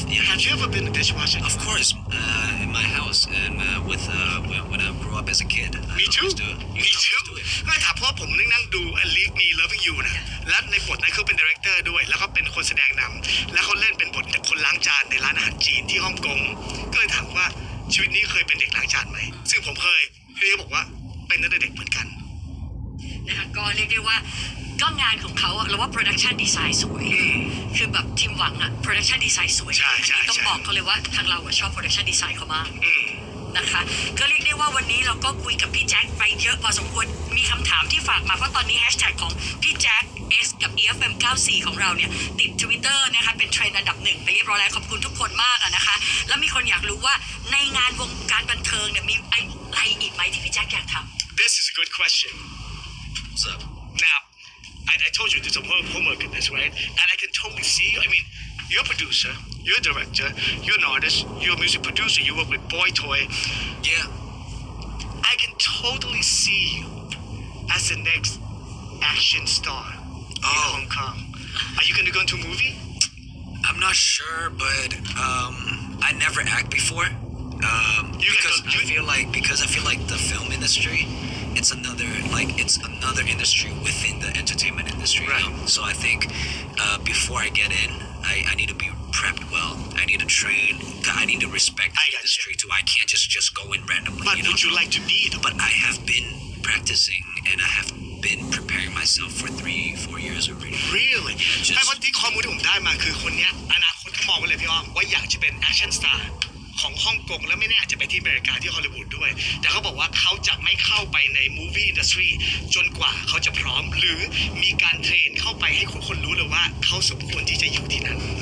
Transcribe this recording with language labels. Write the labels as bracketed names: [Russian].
[English] Have you ever been a dishwasher? Of course, in my house and when I grew up as a kid. Me I too. Do it. Me too. [Thai] ไม่ถ้าพ่อผมนั่งดู Leave Me Loving You นะและในบทนั้นเขาเป็นดีเรคเตอร์ด้วยแล้วก็เป็นคนแสดงนำแล้วเขาเล่นเป็นบทคนล้างจานในร้านอาหารจีนที่ฮ่องกงก็เลยถามว่าชีวิตนี้เคยเป็นเด็กล้างจานไหมซึ่งผมเคยพี่เขาบอกว่าเป็นตั้งแต่เด็กเหมือนกัน นะคะก็เรียกได้ว่าก็งานของเขาเราว่าโปรดักชันดีไซน์สวยคือแบบทีมหวังอะโปรดักชันดีไซน์สวย ใช่ใช่ต้องบอกเขาเลยว่าทางเราชอบโปรดักชันดีไซน์เขามากนะคะก็เรียกได้ว่าวันนี้เราก็คุยกับพี่แจ็คไปเยอะพอสมควรมีคำถามที่ฝากมาเพราะตอนนี้แฮชแท็กของพี่แจ็คเอสกับ EFM 94ของเราเนี่ยติด Twitter นะคะเป็นเทรนด์อันดับหนึ่งไปเรียบร้อยแล้วขอบคุณทุกคนมากนะคะแล้วมีคนอยากรู้ว่าในงานวงการบันเทิงเนี่ยมีอะไรอีกไหมที่พี่แจ็คอยากทำ [English] This is a good question What's up Now I told you there's a homework in this right And I can totally see you I mean you're a producer You're a director You're an artist You're a music producer You work with Boy Toy Yeah I can totally see you As the next action star in Hong Kong. Are you going to go into a movie? I'm not sure, but I never act before. I feel like the film industry, it's another industry within the entertainment industry. Right. So I think before I get in, I need to be prepped well. I need to train. I need to respect the industry too. I can't just go in randomly. But you would know? You like to be it? But I have been practicing and I have been preparing myself for 3-4 years already. Really? Just... [Thai] ไม่ว่าที่ข้อมูลที่ผมได้มาคือคนนี้อนาคตมองไว้เลยพี่อ้อมว่าอยากจะเป็นแอคชั่นสตาร์ของฮ่องกงแล้วไม่แน่อาจจะไปที่อเมริกาที่ฮอลลีวูดด้วยแต่เขาบอกว่าเขาจะไม่เข้าไปในมูฟวี่อินดัสทรีจนกว่าเขาจะพร้อมหรือมีการเทรนเข้าไปให้คนรู้เลยว่าเขาสมควรที่จะอยู่ที่นั้น